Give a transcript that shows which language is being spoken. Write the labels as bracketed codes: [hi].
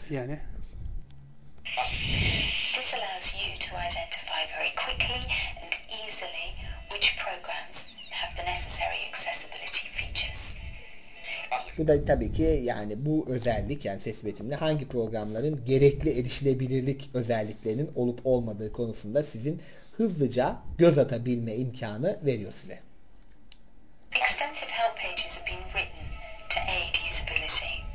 [en] Yani this allows you to identify very quickly and easily which programs have the necessary accessibility features. [tr] Bu da tabii ki yani bu özellik, yani ses betimle hangi programların gerekli erişilebilirlik özelliklerinin olup olmadığı konusunda sizin hızlıca göz atabilme imkanı veriyor size. [en] Extensive help pages have been written to aid usability.